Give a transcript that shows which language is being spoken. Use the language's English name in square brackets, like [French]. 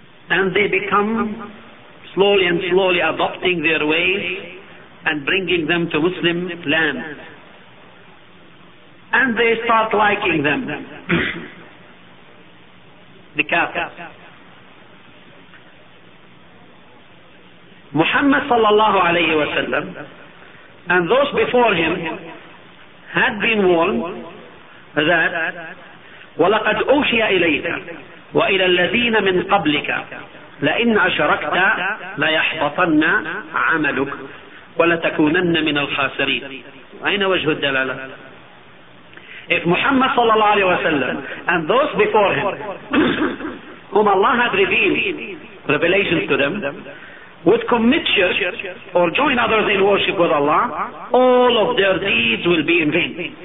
[English] and they become slowly and slowly adopting their ways and bringing them to Muslim land, and they start liking them, the kafirs. Muhammad sallallahu alayhi wa sallam and those before him had been warned that [Arabic] وَلَقَدْ أُوْشِيَ إِلَيْكَ وَإِلَى الَّذِينَ مِنْ قَبْلِكَ لَإِنْ أَشْرَكْتَ لَيَحْبَطَنَّ عَمَلُكَ وَلَتَكُونَنَّ مِنَ الْخَاسِرِينَ. أين وجه الدلالة؟ [English] If Muhammad sallallahu alayhi wa sallam and those before him whom Allah had revelations to them would commit shirk or join others in worship with Allah, all of their deeds will be in vain.